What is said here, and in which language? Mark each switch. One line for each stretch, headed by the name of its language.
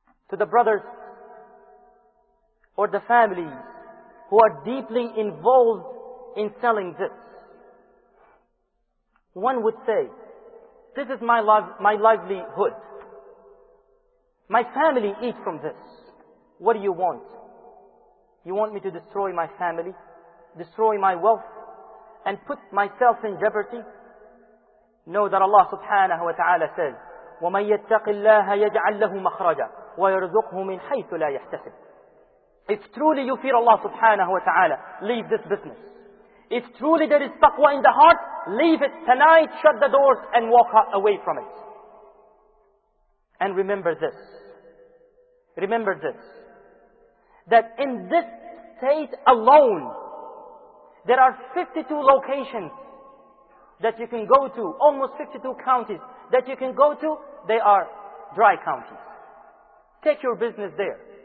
English: To the brothers or the families who are deeply involved in selling this, one would say, this is my livelihood. My family eat from this. What do you want? You want me to destroy my family, destroy my wealth, and put myself in jeopardy? Know that Allah subhanahu wa ta'ala says,
Arabic: وَمَنْ يَتَّقِ اللَّهَ يَجْعَلْ لَهُ مَخْرَجًا وَيَرْزُقْهُ مِنْ حَيْثُ لَا يَحْتَسِبْ.
English: If truly you fear Allah subhanahu wa ta'ala, leave this business. If truly there is taqwa in the heart, leave it tonight, shut the doors and walk away from it. And remember this. Remember this. That in this state alone, there are 52 locations that you can go to, almost 52 counties that you can go to, they are dry counties. Take your business there.